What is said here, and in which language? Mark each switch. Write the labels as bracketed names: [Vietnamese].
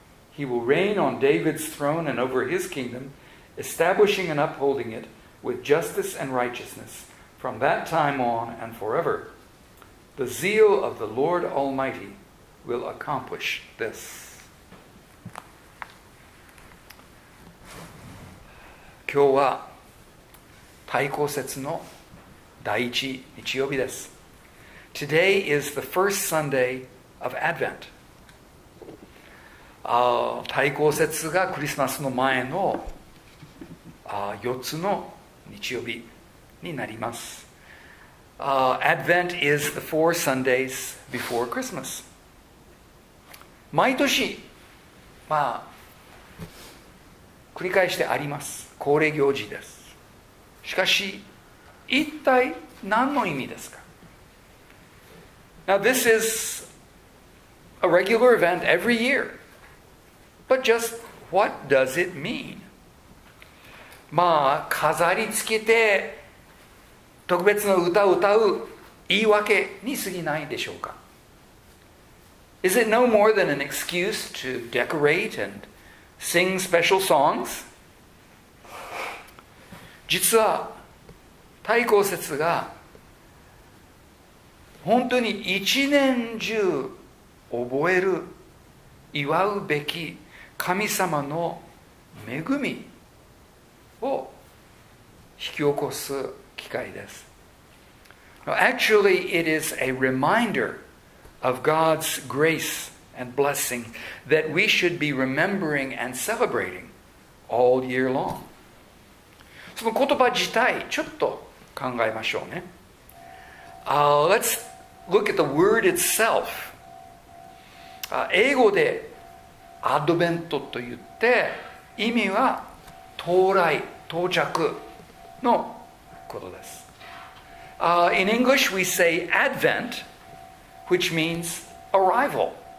[English] He will reign on David's throne and over his kingdom, establishing and upholding it with justice and righteousness from that time on and forever. The zeal of the Lord Almighty will accomplish this. [Japanese] 今日は太閤節の第一日曜日です。 [English] Today is the first Sunday of Advent. [Japanese] 太閤節がクリスマスの前の4つの日曜日になります。 [English] Advent is the four Sundays before Christmas. [Japanese] 毎年、まあ、繰り返してあります。恒例行事です。しかし、一体何の意味ですか? [English] Now, this is a regular event every year. But just what does it mean? [Japanese] まあ、飾りつけて、特別な歌を歌う言い訳に過ぎないでしょうか。 [English] Is it no more than an excuse to decorate and sing special songs? [Japanese] 実は太閤節が本当に一年中覚える祝うべき神様の恵みを引き起こす機会です。 [English] Now, actually, it is a reminder of God's grace and blessing that we should be remembering and celebrating all year long. [Japanese] その言葉自体ちょっと考えましょうね。 [English] Let's look at the word itself. [Japanese] 英語でアドベントと言って意味は到来、到着のことです。 [English] In English, we say Advent, which means arrival.